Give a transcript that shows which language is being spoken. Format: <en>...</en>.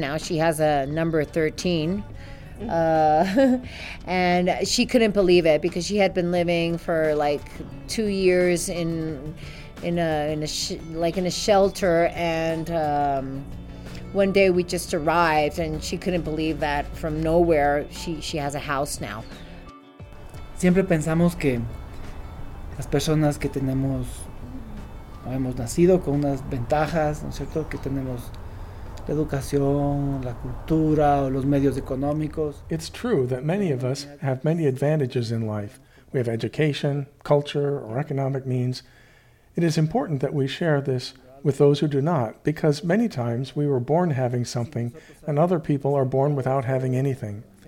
<en>Now she has a number 13. And she couldn't believe it, because she had been living for like 2 years in a shelter, and one day we just arrived, and she couldn't believe that from nowhere she has a house now.</en> <es>Siempre pensamos que las personas que tenemos o hemos nacido con unas ventajas, ¿no es cierto?, que tenemos la educación, la cultura, o los medios económicos.</es> <en>It's true that many of us have many advantages in life. We have education, culture, or economic means. It is important that we share this with those who do not, because many times we were born having something and other people are born without having anything.</en>